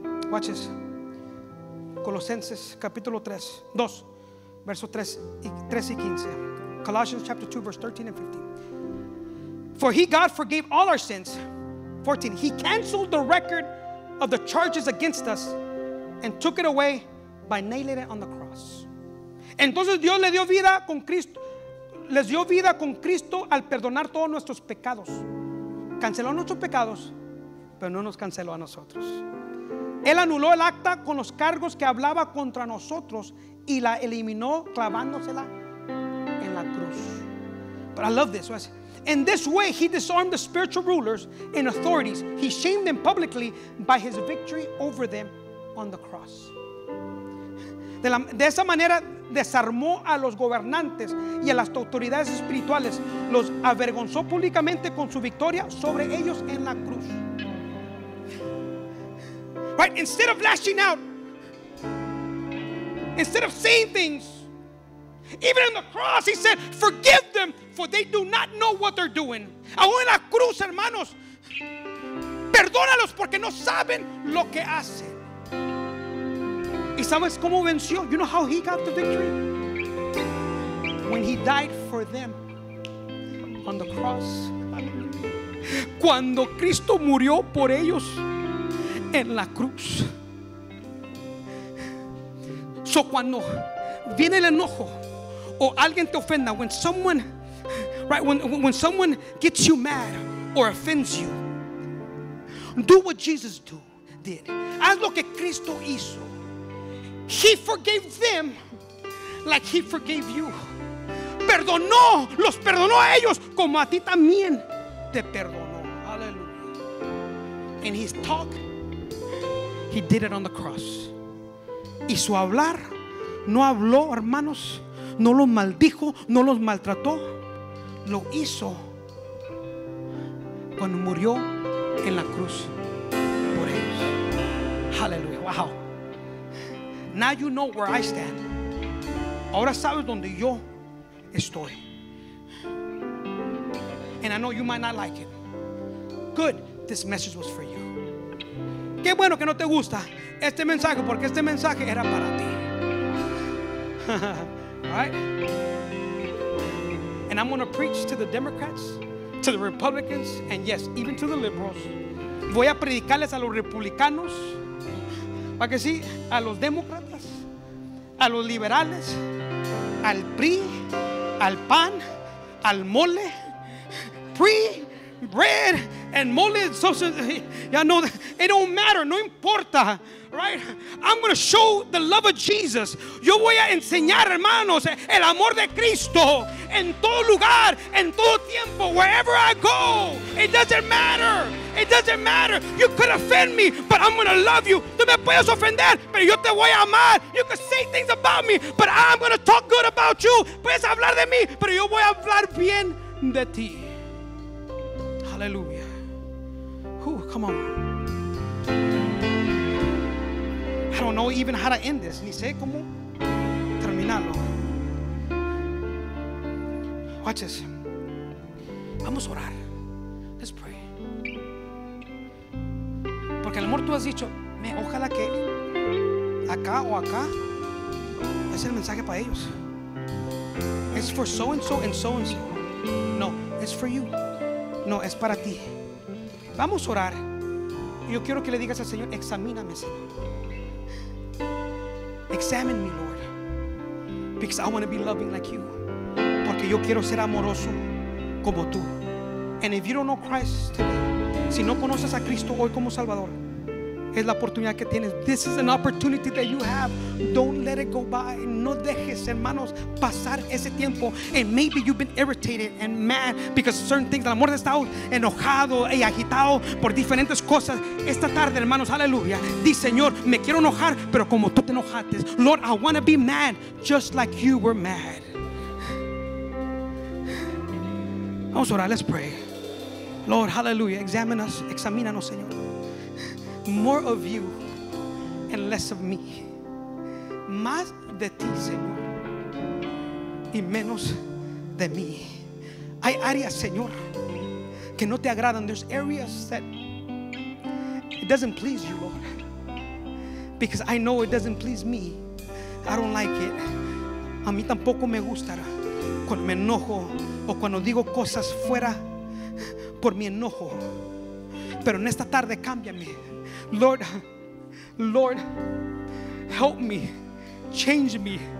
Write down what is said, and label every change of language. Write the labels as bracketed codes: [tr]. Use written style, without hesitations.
[en] Watch this. [es] Colosenses capítulo 3, 2, verso 3 y 15. [en] Colossians chapter 2, verse 13 and 15. For he, God, forgave all our sins. 14. He canceled the record of the charges against us and took it away by nailing it on the cross. [es] Entonces Dios le dio vida con Cristo. Les dio vida con Cristo al perdonar todos nuestros pecados. Canceló nuestros pecados, pero no nos canceló a nosotros. Él anuló el acta con los cargos que hablaba contra nosotros y la eliminó clavándosela en la cruz. [en] But I love this. In this way, he disarmed the spiritual rulers and authorities. He shamed them publicly by his victory over them on the cross. [es] De esa manera, desarmó a los gobernantes y a las autoridades espirituales. Los avergonzó públicamente con su victoria sobre ellos en la cruz. [en] Right? Instead of lashing out, instead of saying things, even on the cross, he said, forgive them, for they do not know what they're doing. [es] Aún en la cruz, hermanos, perdónalos porque no saben lo que hacen. ¿Y sabes cómo venció? [en] You know how he got the victory? When he died for them on the cross. [es] Cuando Cristo murió por ellos en la cruz. [en] So [es] cuando viene el enojo o alguien te ofenda, [en] when someone, right, when someone gets you mad or offends you, do what Jesus did. [es] Haz lo que Cristo hizo. [en] He forgave them like he forgave you. [es] Perdonó, los perdonó a ellos como a ti también te perdonó. [en] Hallelujah. And his talk, he did it on the cross. [es] Y su hablar, no habló, hermanos, no los maldijo, no los maltrató. Lo hizo cuando murió en la cruz por ellos. [en] Hallelujah. Wow. Now you know where I stand. [es] Ahora sabes donde yo estoy. [en] and I know you might not like it. Good, this message was for you. [es] Qué bueno que no te gusta este mensaje, porque este mensaje era para ti. [en] Right? And I'm going to preach to the Democrats, to the Republicans, and yes, even to the liberals. [es] Voy a predicarles a los republicanos, ¿va que sí? A los demócratas, a los liberales, al PRI, al PAN, al mole, PRI, [en] bread, and mole, so, so, y'all know that, it don't matter, [es] no importa, right? [en] I'm going to show the love of Jesus. [es] Yo voy a enseñar, hermanos, el amor de Cristo en todo lugar, en todo tiempo, [en] wherever I go. It doesn't matter. It doesn't matter. You could offend me, but I'm going to love you. [es] Tú me puedes ofender, pero yo te voy a amar. [en] You could say things about me, but I'm going to talk good about you. [es] Puedes hablar de mí, pero yo voy a hablar bien de ti. [en] Hallelujah. Ooh, come on. I don't know even how to end this. [es] Ni sé cómo terminarlo. [en] Watch this. [es] Vamos a orar. [en] Let's pray. [es] Porque el amor, tú has dicho, me, ojalá que acá o acá es el mensaje para ellos. [en] It's for so and so and so and so. No, it's for you. [es] No, es para ti. Vamos a orar. Yo quiero que le digas al Señor, examíname, Señor. [en] Examine me, Lord, because I want to be loving like you. [es] Porque yo quiero ser amoroso como tú. [en] And if you don't know Christ today, [es] si no conoces a Cristo hoy como Salvador, es la oportunidad que tienes. [en] This is an opportunity that you have. Don't let it go by. [es] No dejes, hermanos, pasar ese tiempo. [en] And maybe you've been irritated and mad because of certain things. [es] El amor ha estado enojado y agitado por diferentes cosas. Esta tarde, hermanos, aleluya. Dice, Señor, me quiero enojar, pero como tú te enojaste. [en] Lord, I want to be mad just like you were mad. [es] Vamos a orar, [en] let's pray. Lord, hallelujah. Examine us, [es] examínanos, Señor. [en] More of you and less of me. [es] Más de ti, Señor, y menos de mí. Hay áreas, Señor, que no te agradan. [en] There's areas that it doesn't please you, Lord. Because I know it doesn't please me. I don't like it. [es] A mí tampoco me gusta cuando me enojo o cuando digo cosas fuera por mi enojo. Pero en esta tarde cámbiame. [en] Lord, Lord, help me, change me.